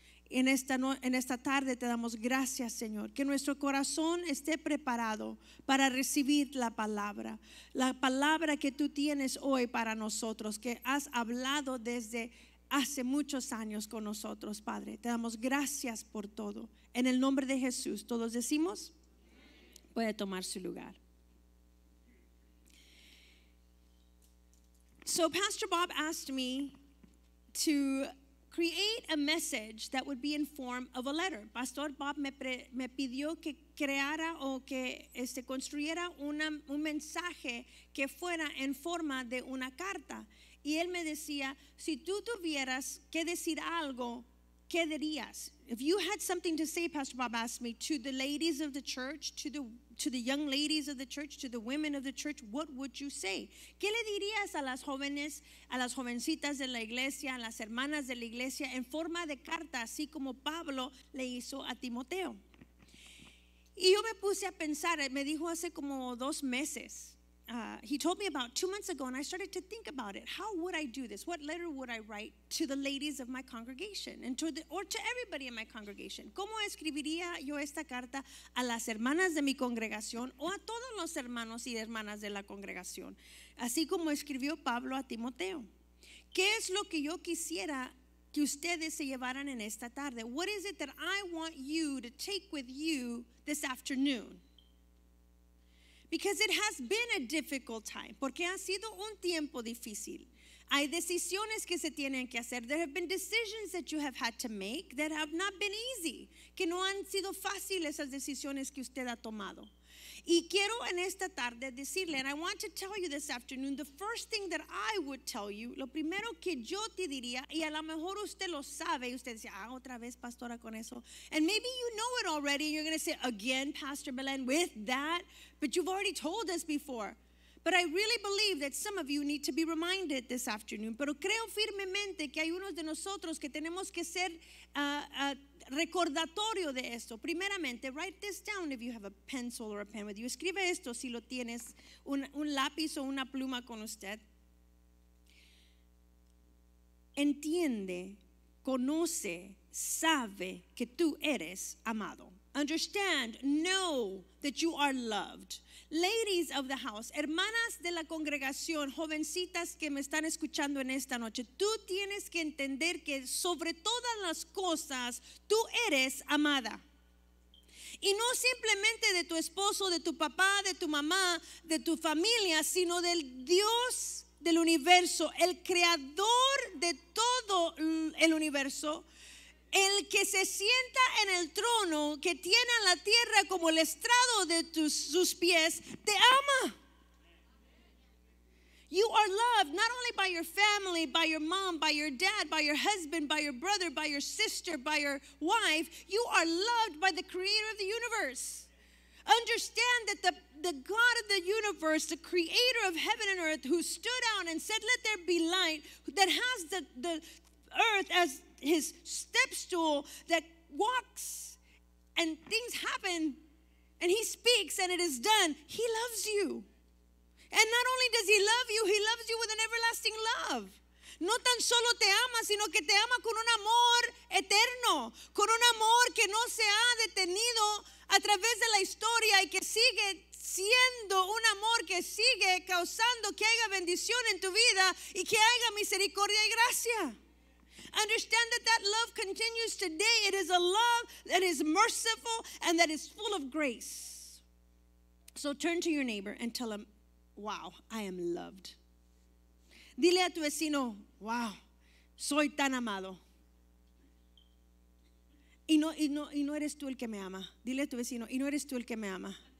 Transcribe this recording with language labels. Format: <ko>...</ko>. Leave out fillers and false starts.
<es>En esta tarde te damos gracias, Señor, que nuestro corazón esté preparado para recibir la palabra que tú tienes hoy para nosotros, que has hablado desde hace muchos años con nosotros, Padre. Te damos gracias por todo. En el nombre de Jesús, todos decimos, puede tomar su lugar.</es> <en>So Pastor Bob asked me to create a message that would be in form of a letter.</en> <es>Pastor Bob me pidió que creara o que construyera un mensaje que fuera en forma de una carta. Y él me decía, si tú tuvieras que decir algo, ¿qué dirías?</es> <en>If you had something to say, Pastor Bob asked me, to the ladies of the church, to the young ladies of the church, to the women of the church, what would you say?</en> <es>¿Qué le dirías a las jóvenes, a las jovencitas de la iglesia, a las hermanas de la iglesia, en forma de carta, así como Pablo le hizo a Timoteo? Y yo me puse a pensar, me dijo hace como dos meses.</es> <en>He told me about 2 months ago, and I started to think about it. How would I do this? What letter would I write to the ladies of my congregation, and to the, or to everybody in my congregation?</en> <es>¿Cómo escribiría yo esta carta a las hermanas de mi congregación o a todos los hermanos y hermanas de la congregación? Así como escribió Pablo a Timoteo. ¿Qué es lo que yo quisiera que ustedes se llevaran en esta tarde?</es> <en>What is it that I want you to take with you this afternoon? Because it has been a difficult time.</en> <es>Porque ha sido un tiempo difícil. Hay decisiones que se tienen que hacer.</es> <en>There have been decisions that you have had to make that have not been easy.</en> <es>Que no han sido fáciles esas decisiones que usted ha tomado. Y quiero en esta tarde decirle,</es> <en>and I want to tell you this afternoon, the first thing that I would tell you,</en> <es>lo primero que yo te diría, y a lo mejor usted lo sabe, y usted dice, ah, otra vez, pastora, con eso.</es> <en>And maybe you know it already, and you're going to say, again, Pastor Belen, with that, but you've already told us before. But I really believe that some of you need to be reminded this afternoon.</en> <es>Pero creo firmemente que hay unos de nosotros que tenemos que ser recordatorio de esto. Primeramente,</es> <en>write this down if you have a pencil or a pen with you.</en> <es>Escribe esto si lo tienes, un lápiz o una pluma con usted. Entiende, conoce, sabe que tú eres amado.</es> <en>Understand, know that you are loved. Ladies of the house,</en> <es>hermanas de la congregación, jovencitas que me están escuchando en esta noche, tú tienes que entender que sobre todas las cosas, tú eres amada. Y no simplemente de tu esposo, de tu papá, de tu mamá, de tu familia, sino del Dios del universo, el creador de todo el universo, el que se sienta en el trono, que tiene a la tierra como el estrado de sus pies, te ama.</es> <en>You are loved not only by your family, by your mom, by your dad, by your husband, by your brother, by your sister, by your wife. You are loved by the creator of the universe. Understand that the God of the universe, the creator of heaven and earth, who stood out and said, let there be light, that has the earth as his stepstool, that walks and things happen and he speaks and it is done. He loves you. And not only does he love you, he loves you with an everlasting love.</en> <es>No tan solo te ama, sino que te ama con un amor eterno, con un amor que no se ha detenido a través de la historia y que sigue siendo un amor que sigue causando que haya bendición en tu vida y que haya misericordia y gracia.</es> <en>Understand that that love continues today. It is a love that is merciful and that is full of grace. So turn to your neighbor and tell him, wow, I am loved.</en> <es>Dile a tu vecino, wow, soy tan amado. Y no eres tú el que me ama. Dile a tu vecino, y no eres tú el que me ama.</es>